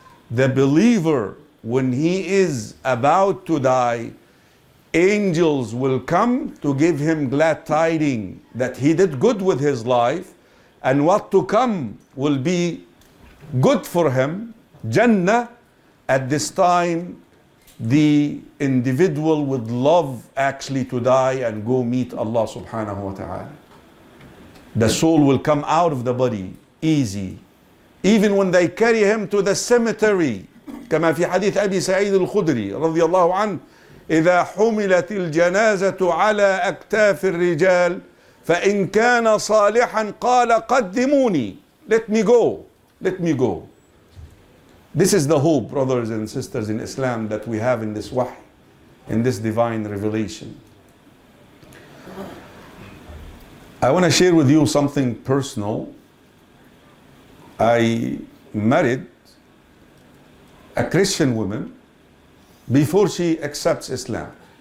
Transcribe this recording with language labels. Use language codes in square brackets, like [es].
[en] The believer, when he is about to die, angels will come to give him glad tidings that he did good with his life, and what to come will be good for him, Jannah. At this time, the individual would love actually to die and go meet Allah subhanahu wa ta'ala. The soul will come out of the body easy. Even when they carry him to the cemetery, [ar] كما في حديث أبي سعيد الخدري رضي الله عنه, إذا حملت الجنازة على أكتاف الرجال فإن كان صالحا قال قدموني. [en] Let me go. Let me go. This is the hope, brothers and sisters in Islam, that we have in this wahy, in this divine revelation. I want to share with you something personal. I married a Christian woman before she accepts Islam.